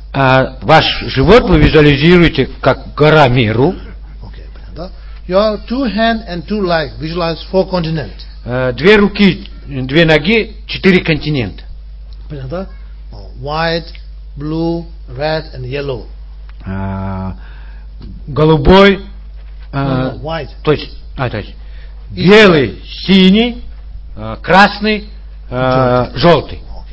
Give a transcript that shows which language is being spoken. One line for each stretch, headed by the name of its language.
Russian: Ваш живот вы визуализируете как гора Меру. Okay, понятно.
English: Your two hand and two leg visualize four continents.
Russian: Две руки, две ноги, четыре континента.
English: Понятно? White, blue, red and yellow.
Russian: Голубой.
English: White.
Russian: То есть, белый, синий, красный, желтый.